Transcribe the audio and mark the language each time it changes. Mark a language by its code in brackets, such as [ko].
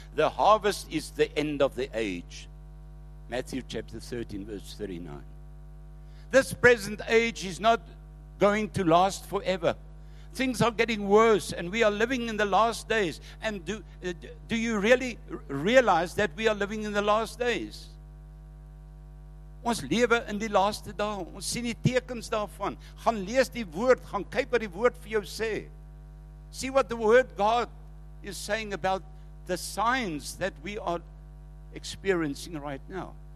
[en] The harvest is the end of the age. Matthew chapter 13, verse 39. This present age is not going to last forever. Things are getting worse, and we are living in the last days. And do you really realize that we are living in the last days? [af] Ons lewe in die laaste dae. Ons sien die tekens daarvan. Gaan lees die woord. Gaan kyk wat die woord vir jou sê. [en] See what the word God is saying about the signs that we are experiencing right now.